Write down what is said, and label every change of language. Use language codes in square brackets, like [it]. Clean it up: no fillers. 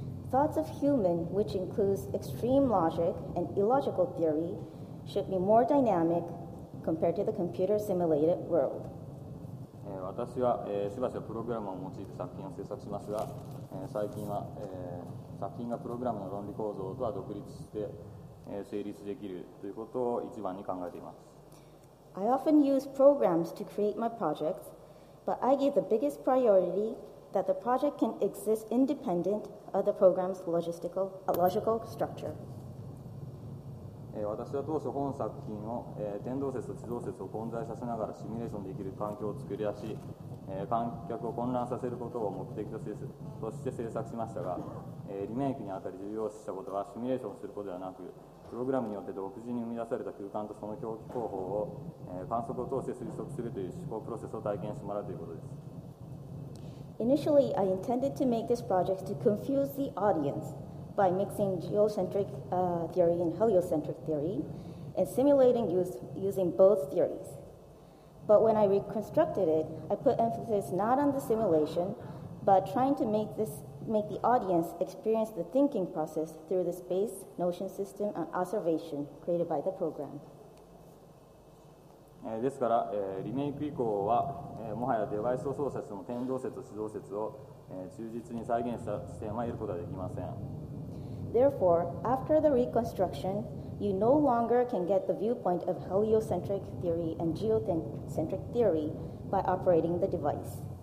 [en] Thoughts of human, which includes extreme logic and illogical theory, should be more dynamic compared to the computer simulated world. [ja] 私は、しばしばプログラムを用いて作品を制作しますが、最近は、作品がプログラムの論理構造とは独立して、成立できるということを一番に考えています。 [en] I often use programs to create my projects, but I give the biggest priority that the project can exist independent of the program's logical structure. [ja] 私は当初本作品を、天動説と地動説を混在させながらシミュレーションできる環境を作り出し、観客を混乱させることを目的として制作しましたが、リメイクにあたり重要視したことはシミュレーションすることではなく、プログラムによって独自に生み出された空間とその表記方法を、観測を通して推測するという思考プロセスを体験してもらうということです。 [en] Initially, I intended to make this project to confuse the audience by mixing geocentric theory and heliocentric theory and simulating using both theories. But when I reconstructed it, I put emphasis not on the simulation, but trying to make the audience experience the thinking process through the space, notion system, and observation created by the program. [ja] ですから、リメイク以降は、もはやデバイスを操作しても天動説と地動説を、忠実に再現した視点は得ることはできません。 [en] Therefore, after the reconstruction, you no longer can get the viewpoint of heliocentric theory and geocentric theory by operating the device.